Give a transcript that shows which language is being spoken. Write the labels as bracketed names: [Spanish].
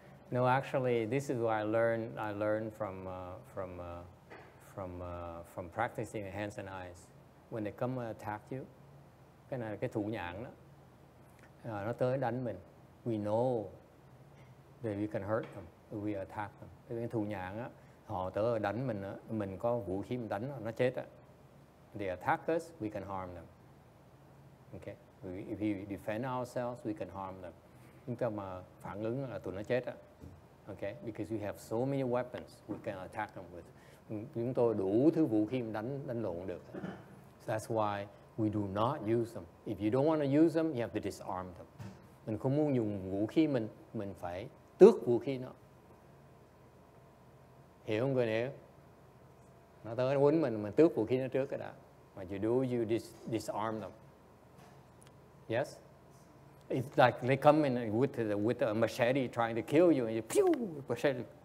[English] No, actually, this is what I learned from practicing hands and eyes. When they come and attack you, [Vietnamese] cái này là cái thủ nhãn đó. Nó tới đánh mình. [English] We know that we can hurt them if we attack them. [Vietnamese] Cái thủ nhãn á, họ tới đánh mình á, mình có vũ khí mình đánh nó chết á. [English] They attack us, we can harm them. Okay, if we defend ourselves, we can harm them. [Vietnamese] Chúng ta mà phản ứng là tụi nó chết á. [English] Okay, because we have so many weapons we can attack them with. [Vietnamese] Chúng tôi đủ thứ vũ khí đánh lộn được. [English] So that's why we do not use them. If you don't want to use them, you have to disarm them. [Vietnamese] Mình không muốn dùng vũ khí mình phải tước vũ khí nó. Hiểu không người nếu? Nó tới nó quấn mình tước vũ khí nó trước cái đã. [English] What you do, you disarm them. Yes? It's like they come in with a machete trying to kill you, and you pew, machete.